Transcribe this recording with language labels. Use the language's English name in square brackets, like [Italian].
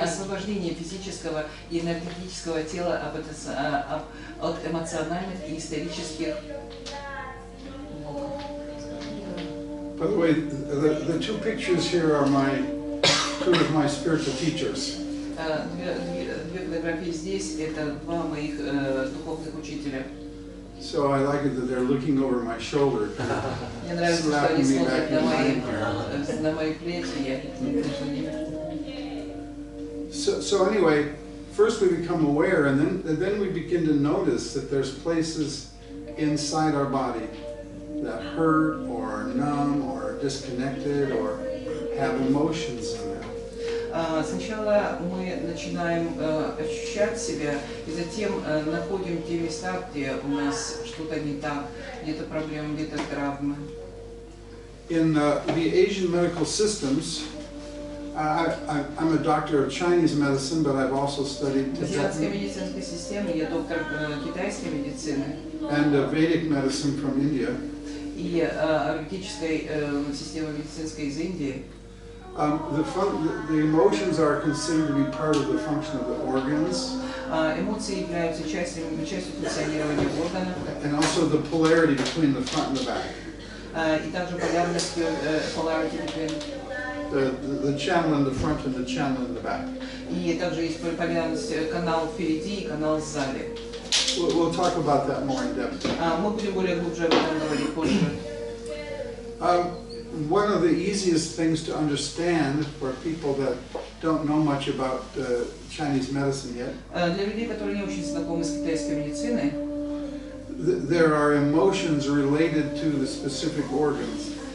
[Russian] Освобождение физического и энергетического тела от эмоциональных и исторических. [English] By the way, the two pictures here are two of my spiritual teachers. [Russian] Две фотографии здесь – это два моих духовных учителя. [English] So I like it that they're looking over my shoulder, slapping me back in my ear. So anyway, first we become aware, and then we begin to notice that there's places inside our body that hurt or are numb or are disconnected or have emotions in them. [Russian] Сначала мы начинаем ощущать себя, и затем находим те места, где у нас что-то не так, где-то проблемы, где-то травмы. [English] In the Asian medical systems, I'm a doctor of Chinese medicine, but I've also studied Tibetan and Vedic medicine from India. [Russian] И аюрведической системы медицинской из Индии. [English] The emotions are considered to be part of the function of the organs. [Russian] Эмоции являются частью функционирования органов. [English] And also the polarity between the front and the back. [Russian] И также полярность, [English] polarity between. the channel in the front and the channel in the back. [Russian] И также есть упомянуть канал впереди и канал сзади. [English] We'll talk about that more in depth. [Russian] Мы будем более глубже об этом говорить позже. [English] One of the easiest things to understand for people that don't know much about Chinese medicine yet. [Russian] Для людей, которые не очень знакомы с китайской медициной. [English] There are emotions related to the specific organs.